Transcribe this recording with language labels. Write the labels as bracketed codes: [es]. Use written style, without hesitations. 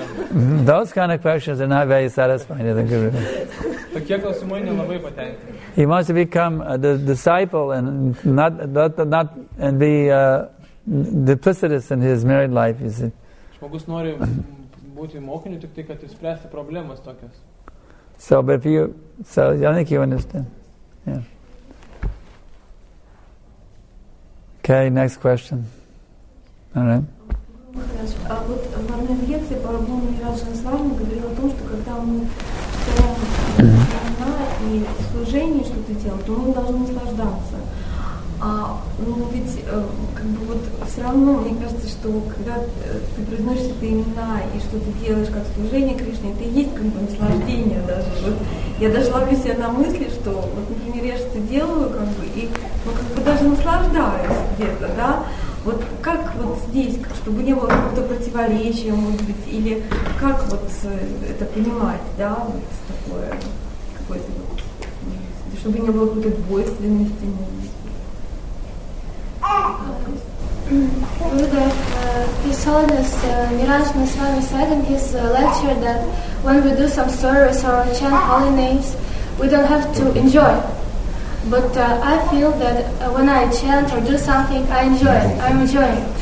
[en] Those kind of questions are not very satisfying to the guru. He wants to become a disciple and not be duplicitous in his married life, you see. [lt] Žmogus nori būti mokiniu tik tai, kad išspręsti problemas tokias. [en] So, but if you, so, I think you understand. Yeah. Okay, next question. All right. [ru] А вот в одной лекции по одному Ираджан Сламу говорил о том, что когда мы прямо и служение что-то делаем, то мы должны наслаждаться. А, ну, ведь, как бы, вот, все равно, мне кажется, что, когда ты произносишь это имена, и что ты делаешь как служение Кришне, это и есть, как бы, наслаждение даже. Вот, я даже ловлю себя на мысли, что, вот, например, я что-то делаю, как бы, и, ну, как бы, даже наслаждаюсь где-то, да? Вот как вот здесь, чтобы не было какого-то противоречия, может быть, или как вот это понимать, да, вот такое, какое-то вот, чтобы не было какой-то двойственности, [en] Buddha, he told us, Niranjan Goswami said in his lecture that when we do some service or chant holy names, we don't have to enjoy. But I feel that when I chant or do something, I enjoy it. I'm enjoying.